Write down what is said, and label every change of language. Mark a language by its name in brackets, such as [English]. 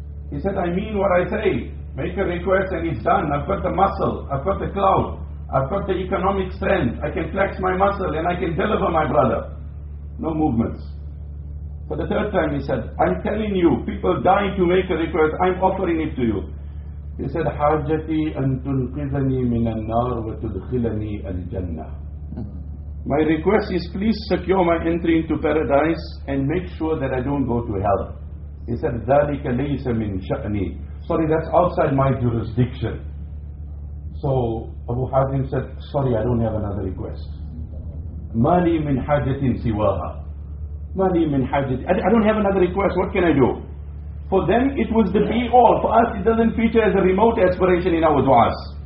[English] He said, I mean what I say. Make a request and it's done. I've got the muscle, I've got the clout, I've got the economic strength. I can flex my muscle and I can deliver my brother. No movements. For the third time he said, I'm telling you, people dying to make a request, I'm offering it to you. He said, [Arabic] حَاجَّتِي أَن تُنْقِذَنِي مِنَ النَّارِ وَتُدْخِلَنِي الْجَنَّةِ. [English] My request is, please secure my entry into paradise and make sure that I don't go to hell. He said, [Arabic] ذَلِكَ لَيْسَ مِنْ شَأْنِي. [English] Sorry, that's outside my jurisdiction. So Abu Hazim said, sorry, I don't have another request. [Arabic] مَالِي مِنْ حَاجَّةٍ سِوَاهَا. مَالِي مِنْ حَاجَّةٍ. [English] I don't have another request, what can I do? For them, it was the be-all. For us, it doesn't feature as a remote aspiration in our du'as.